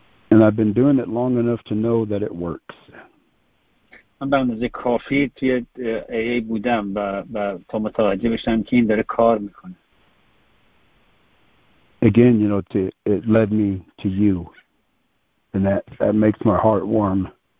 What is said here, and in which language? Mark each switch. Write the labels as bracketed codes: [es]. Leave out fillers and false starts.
[en] And I've been doing it long enough to know that it works. [fa] من به اندازه کافی توی AA بودم و تا متوجه بشم که این داره کار میکنه. [en] Again, you know, to, it led me to you, and that makes my heart warm.